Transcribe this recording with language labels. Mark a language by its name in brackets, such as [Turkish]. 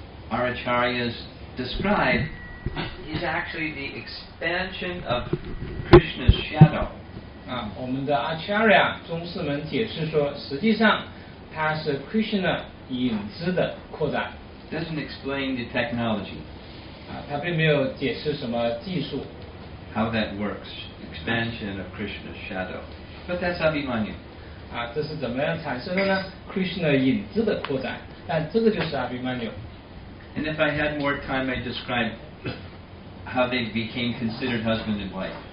[English] Our acharyas describe he's actually the expansion of Krishna's shadow. [Chinese] 我们的阿查亚宗师们解释说，实际上他是Krishna影子的扩展。 [English] Doesn't explain the technology. [Chinese] 他并没有解释什么技术。 [English] How that works, expansion of Krishna's shadow. But that's Abhimanyu. [Chinese] 这是怎么样产生的呢？ Krishna影子的扩展，但这个就是Abhimanyu。 [English] And if I had more time, I'd describe how they became considered husband and wife.